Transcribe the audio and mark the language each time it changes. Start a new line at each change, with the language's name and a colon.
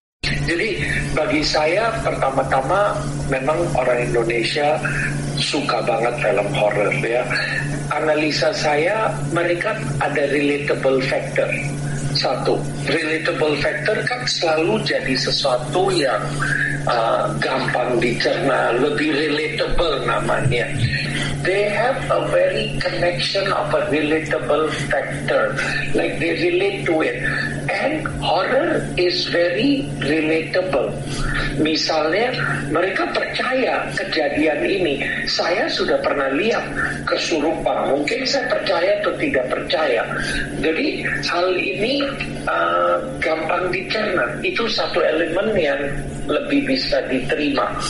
Indonesian: Jadi bagi saya pertama-tama memang orang Indonesia suka banget film horror ya. Analisa saya mereka ada relatable factor. Satu, relatable factor kan selalu jadi sesuatu yang gampang dicerna, lebih relatable namanya.
English: They have a very connection of a relatable factor, like they relate to it. And horror is very relatable.
Indonesian: Misalnya, mereka percaya kejadian ini. Saya sudah pernah lihat kesurupan. Mungkin saya percaya atau tidak percaya. Jadi hal ini gampang dicerna. Itu satu elemen yang lebih bisa diterima.